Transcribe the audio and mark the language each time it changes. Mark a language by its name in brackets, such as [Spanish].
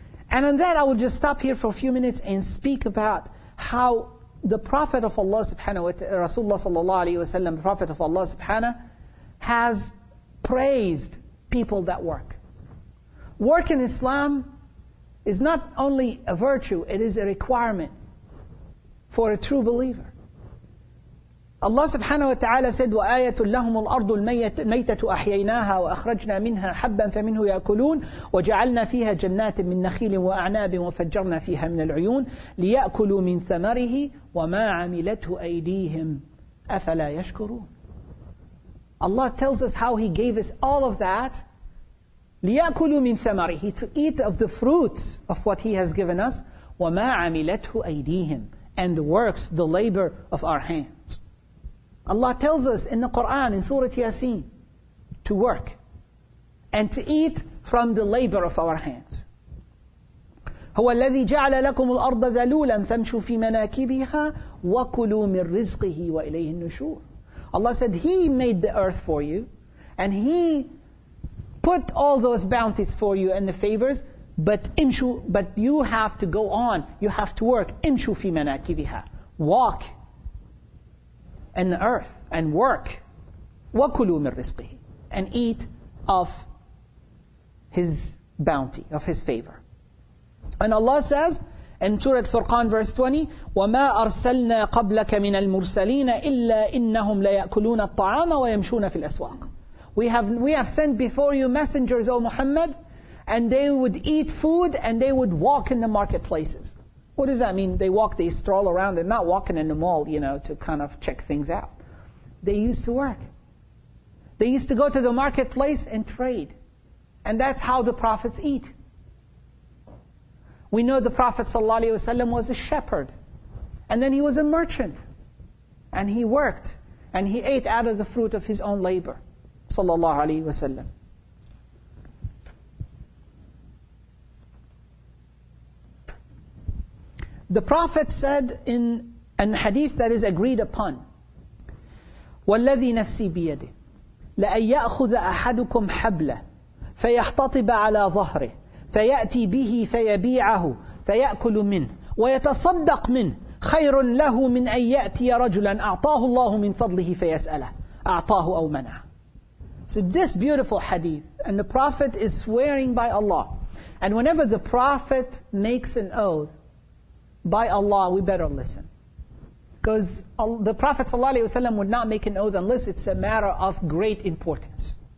[English] And on that, I will just stop here for a few minutes and speak about how the Prophet of Allah subhanahu wa ta'ala, Rasulullah sallallahu alayhi wa sallam, the Prophet of Allah subhanahu, has praised people that work. Work in Islam is not only a virtue, it is a requirement for a true believer. Allah subhanahu wa ta'ala said, [Arabic] وَآيَةٌ لَهُمُ الْأَرْضُ الْمَيْتَةُ أَحْيَيْنَاهَا وَأَخْرَجْنَا مِنْهَا حَبًّا فَمِنْهُ يَأْكُلُونَ وَجَعَلْنَا فِيهَا جَنَّاتٍ مِّن نَخِيلٍ وَأَعْنَابٍ وَفَجَّرْنَا فِيهَا مِنَ الْعُيُونِ لِيَأْكُلُوا مِنْ ثَمَرِهِ وَمَا عَمِلَتْهُ أَيْدِيهِمْ أَفَلَا يَشْكُرُونَ. [English] Allah tells us how He gave us all of that. [Arabic] لِيَأْكُلُوا مِنْ ثَمَرِهِ, [English] to eat of the fruits of what He has given us. [Arabic] وَمَا عَمِلَتْهُ أَيْدِيهِمْ, [English] and the works, the labor of our hands. Allah tells us in the Quran, in Surah Yasin, to work and to eat from the labor of our hands. [Arabic] هُوَ الَّذِي جَعْلَ لَكُمُ الْأَرْضَ ذَلُولًا فَامْشُوا فِي مَنَاكِبِهَا وَكُلُوا مِنْ رِزْقِهِ وَإِلَيْهِ النُّشُورِ. [English] Allah said, He made the earth for you, and He put all those bounties for you and the favors, but you have to go on, you have to work. [Arabic] امْشُوا فِي مَنَاكِبِهَا, [English] walk and the earth, and work. [Arabic] وَكُلُوا مِنْ رِزْقِهِ, [English] and eat of His bounty, of His favor. And Allah says in Surah Furqan verse 20, [Arabic] وَمَا أَرْسَلْنَا قَبْلَكَ مِنَ الْمُرْسَلِينَ إِلَّا إِنَّهُمْ لَيَأْكُلُونَ الطَّعَامَ وَيَمْشُونَ فِي الْأَسْوَاقِ. [English] We have sent before you messengers, O Muhammad, and they would eat food and they would walk in the marketplaces. What does that mean? They walk, they stroll around. They're not walking in the mall, you know, to kind of check things out. They used to work. They used to go to the marketplace and trade. And that's how the prophets eat. We know the Prophet sallallahu alaihi wasallam was a shepherd. And then he was a merchant. And he worked. And he ate out of the fruit of his own labor, sallallahu alaihi wasallam. The Prophet said in a hadith that is agreed upon, [Arabic] وَالَّذِي نَفْسِي بِيَدِهِ لَأَنْ يَأْخُذَ أَحَدُكُمْ حَبْلَهِ فَيَحْتَطِبَ عَلَىٰ ظَهْرِهِ فَيَأْتِي بِهِ فَيَبِيعَهُ فَيَأْكُلُ مِنْهِ وَيَتَصَدَّقْ مِنْهِ خَيْرٌ لَهُ مِنْ أَنْ يَأْتِيَ رَجُلًا أَعْطَاهُ اللَّهُ مِنْ فَضْلِهِ فَيَسْأَلَهُ أَعْطَاهُ أَوْ مَنَعَ. [English] So this beautiful hadith, and the Prophet is swearing by Allah. And whenever the Prophet makes an oath by Allah, we better listen. Because the Prophet ﷺ would not make an oath unless it's a matter of great importance.